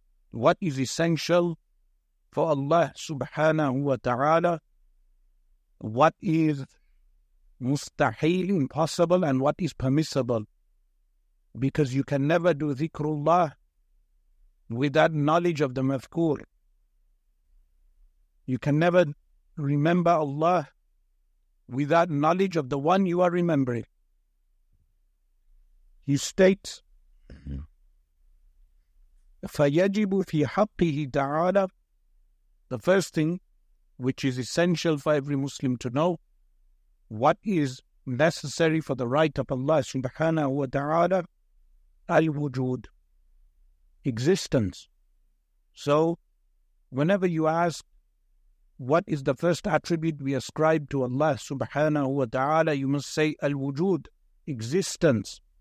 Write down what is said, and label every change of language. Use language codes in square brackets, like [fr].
[en] What is essential for Allah subhanahu wa ta'ala, what is mustahil, impossible, and what is permissible. Because you can never do dhikrullah without knowledge of the mafkur. You can never remember Allah without knowledge of the one you are remembering. He states, [ar] فَيَجِبُ فِي حَقِّهِ تَعَالَى. [en] The first thing which is essential for every Muslim to know, what is necessary for the right of Allah subhanahu wa ta'ala, al-wujud, existence. So whenever you ask what is the first attribute we ascribe to Allah subhanahu wa ta'ala, you must say al-wujud, existence.